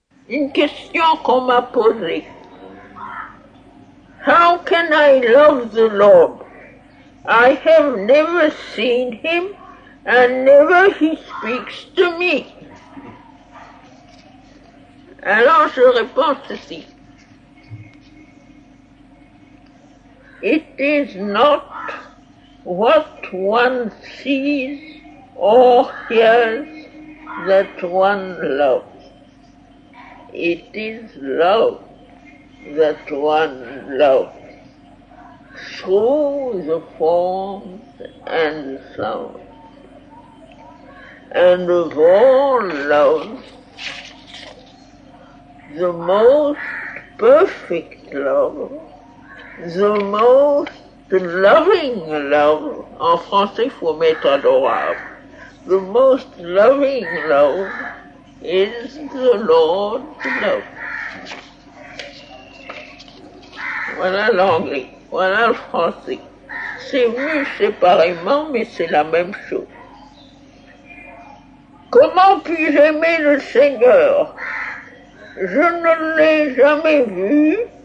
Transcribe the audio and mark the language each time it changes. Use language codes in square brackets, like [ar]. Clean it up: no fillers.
[fr] Une question qu'on m'a posée. [en] How can I love the Lord? I have never seen him and never he speaks to me. [fr] Alors je réponds ceci. [en] It is not what one sees or hears that one loves. It is love that one loves through the forms and sounds. And of all loves, the most perfect love, the most loving love, [fr] en français, faut mettre adorable. [en] The most loving love is the Lord's love. [fr] Voilà l'anglais, voilà le français. C'est venu séparément, mais c'est la même chose. Comment puis-je aimer le Seigneur? Je ne l'ai jamais vu.